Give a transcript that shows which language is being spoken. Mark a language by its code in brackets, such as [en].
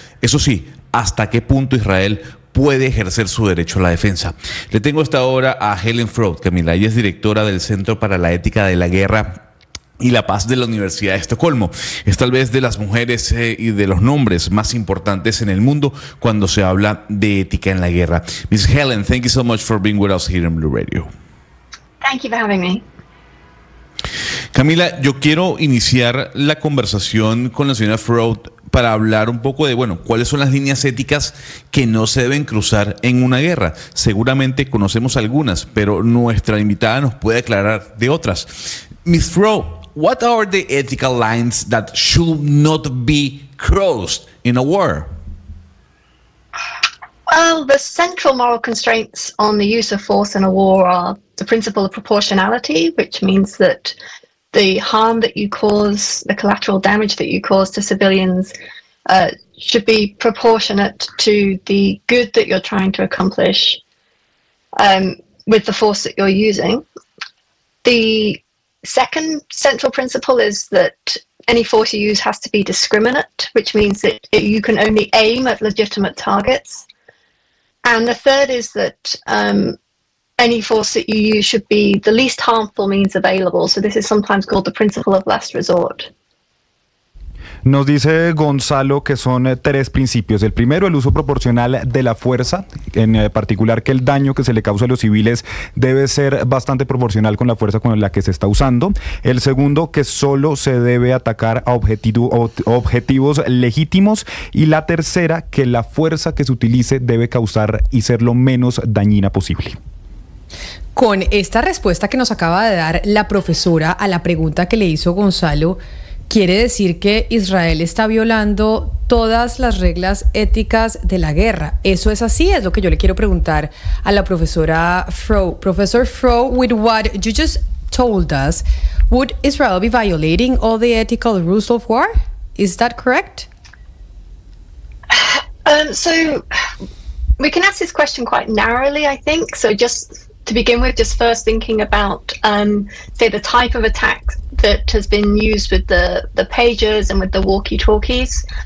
[es] Eso sí, ¿hasta qué punto Israel puede ejercer su derecho a la defensa? Le tengo hasta ahora a Helen Froud, Camila. Ella es directora del Centro para la Ética de la Guerra y la Paz de la Universidad de Estocolmo. Es tal vez de las mujeres y de los nombres más importantes en el mundo cuando se habla de ética en la guerra. [en] Miss Helen, thank you so much for being with us here in Blue Radio. Thank you for having me. [es] Camila, yo quiero iniciar la conversación con la señora Froud para hablar un poco de, bueno, cuáles son las líneas éticas que no se deben cruzar en una guerra. Seguramente conocemos algunas, pero nuestra invitada nos puede aclarar de otras. [en] Miss Froud, what are the ethical lines that should not be crossed in a war? Well, the central moral constraints on the use of force in a war are the principle of proportionality, which means that the harm that you cause, the collateral damage that you cause to civilians, should be proportionate to the good that you're trying to accomplish with the force that you're using. The second central principle is that any force you use has to be discriminate, which means that you can only aim at legitimate targets. And the third is that any force that you use should be the least harmful means available. So this is sometimes called the principle of last resort. [es] Nos dice Gonzalo que son tres principios. El primero, el uso proporcional de la fuerza, en particular que el daño que se le causa a los civiles debe ser bastante proporcional con la fuerza con la que se está usando. El segundo, que solo se debe atacar a objetivos legítimos. Y la tercera, que la fuerza que se utilice debe causar y ser lo menos dañina posible. Con esta respuesta que nos acaba de dar la profesora a la pregunta que le hizo Gonzalo, ¿quiere decir que Israel está violando todas las reglas éticas de la guerra? ¿Eso es así? Es lo que yo le quiero preguntar a la profesora Froud. [en] Professor Froud, with what you just told us, would Israel be violating all the ethical rules of war? Is that correct? So we can ask this question quite narrowly, I think. So just to begin with, just first thinking about, say, the type of attack that has been used with the pagers and with the walkie-talkies.